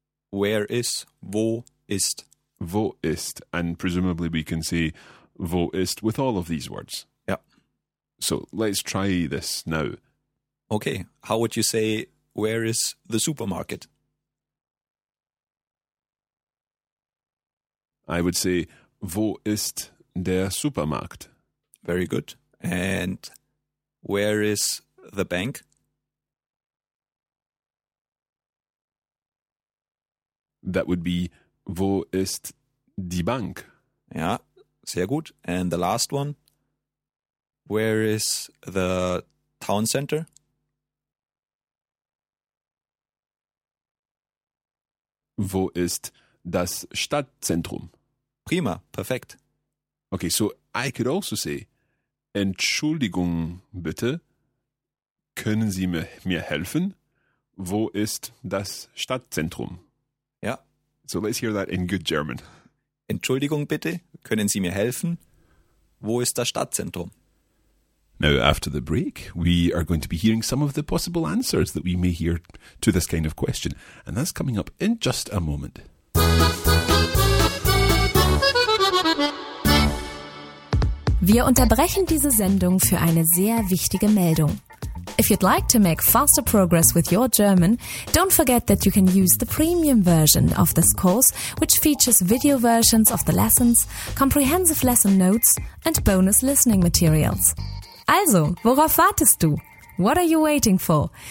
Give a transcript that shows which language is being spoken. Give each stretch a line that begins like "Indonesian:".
English: Where is, wo ist. Wo ist. And presumably we can say wo ist with all of these words. Yeah. So let's try this now. Okay. How would you say where is the supermarket?
German: I would say wo ist der Supermarkt.
English: Very good. And where is the bank?
German: That would be, wo ist die Bank? Ja, sehr gut.
English: And the last one, where is the town center?
German: Wo ist das Stadtzentrum? Prima, perfekt.
English: Okay, so I could also say, Entschuldigung bitte, können Sie mir helfen?
German: Wo ist das Stadtzentrum? Ja.
English: So let's hear that in good German.
German: Entschuldigung bitte, können Sie mir helfen? Wo ist das Stadtzentrum?
English: Now, after the break, we are going to be hearing some of the possible answers that we may hear to this kind of question. And that's coming up in just a moment.
German: Wir unterbrechen diese Sendung für eine sehr wichtige Meldung.
English: If you'd like to make faster progress with your German, don't forget that you can use the premium version of this course, which features video versions of the lessons, comprehensive lesson notes and bonus listening materials. Also, worauf wartest du? What are you waiting for?